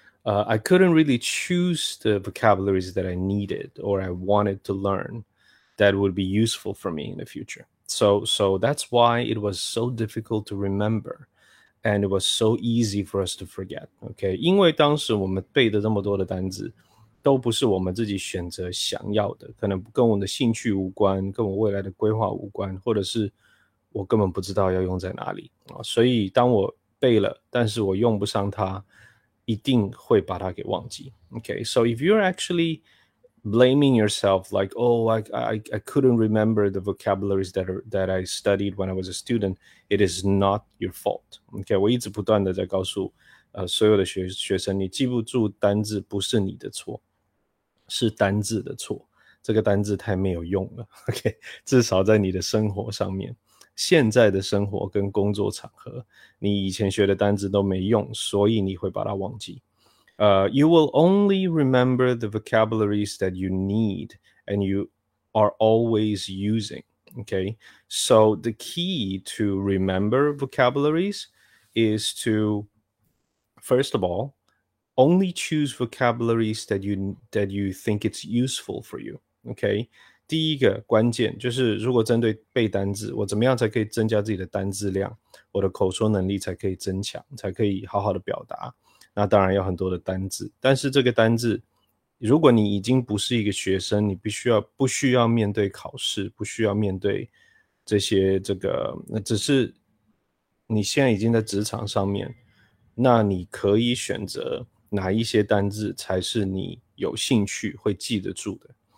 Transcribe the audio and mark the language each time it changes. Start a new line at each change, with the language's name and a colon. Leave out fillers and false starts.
English: I couldn't really choose the vocabularies that I needed or I wanted to learn that would be useful for me in the future. So that's why it was so difficult to remember and it was so easy for us to forget.
Chinese: Okay, 因为当时我们背的这么多的单字都不是我们自己选择想要的，可能跟我的兴趣无关，跟我未来的规划无关，或者是我根本不知道要用在哪里。所以当我背了，但是我用不上它，一定会把它给忘记。
English: Okay, so if you're actually blaming yourself, like, oh, I couldn't remember the vocabularies that I studied when I was a student, it is not your fault.
Chinese: Okay, 我一直不断的在告诉所有的学生，你记不住单字不是你的错，是单字的错。这个单字太没有用了。Okay, 至少在你的生活上面。现在的生活跟工作场合，你以前学的单字都没用，所以你会把它忘记。
English: You will only remember the vocabularies that you need and you are always using. Okay, so the key to remember vocabularies is to, first of all, only choose vocabularies that you think it's useful for you. Okay.
Chinese: 第一个关键就是，如果针对背单字，我怎么样才可以增加自己的单字量，我的口说能力才可以增强，才可以好好的表达，那当然要很多的单字，但是这个单字如果你已经不是一个学生，你不需要面对考试，不需要面对这些这个，那只是你现在已经在职场上面，那你可以选择哪一些单字才是你有兴趣会记得住的。